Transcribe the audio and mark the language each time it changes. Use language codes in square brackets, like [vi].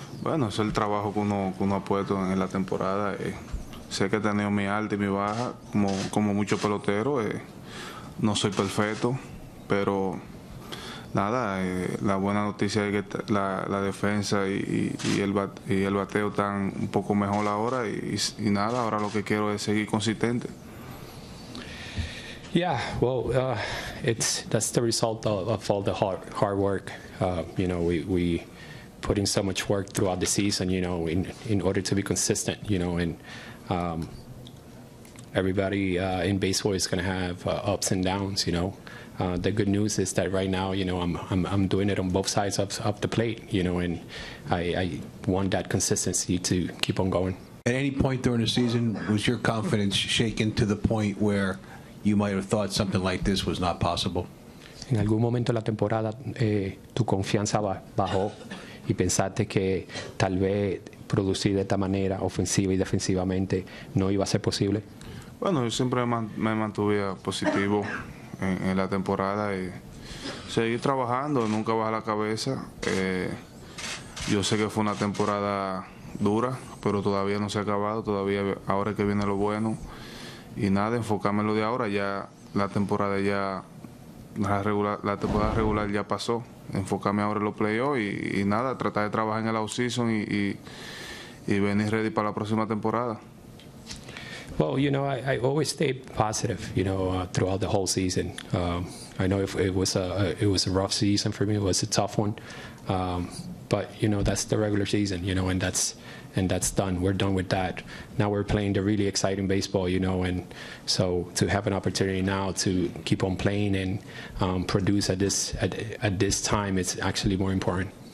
[es] Bueno, es el trabajo que uno ha puesto en la temporada. Sé que he tenido mi alta y mi baja, como muchos peloteros. No soy perfecto, pero nada, la buena noticia es que la defensa y el bateo están un poco mejor ahora y nada, ahora lo que quiero es seguir consistente. [en] Yeah, well, that's the result of all the hard work. You know, we put in so much work throughout the season, you know, in order to be consistent, you know, and everybody in baseball is going to have ups and downs, you know. The good news is that right now, you know, I'm doing it on both sides of the plate, you know, and I want that consistency to keep on going. At any point during the season, was your confidence shaken to the point where you might have thought something like this was not possible? [es] En algún momento de la temporada, tu confianza bajó y pensaste que tal vez producir de esta manera, ofensiva y defensivamente, no iba a ser posible? Bueno, yo siempre me mantuve positivo. En la temporada y seguir trabajando, nunca bajar la cabeza. Yo sé que fue una temporada dura, pero todavía no se ha acabado, todavía ahora es que viene lo bueno. Y nada, enfocarme en lo de ahora, ya la temporada ya, la temporada regular ya pasó. Enfocarme ahora en los playoffs y nada, tratar de trabajar en el off-season y venir ready para la próxima temporada. [en] Well, you know, I always stay positive, you know, throughout the whole season. I know it was a rough season for me. It was a tough one. But, you know, that's the regular season, you know, and that's done. We're done with that. Now we're playing the really exciting baseball, you know, and so to have an opportunity now to keep on playing and produce at this time, it's actually more important.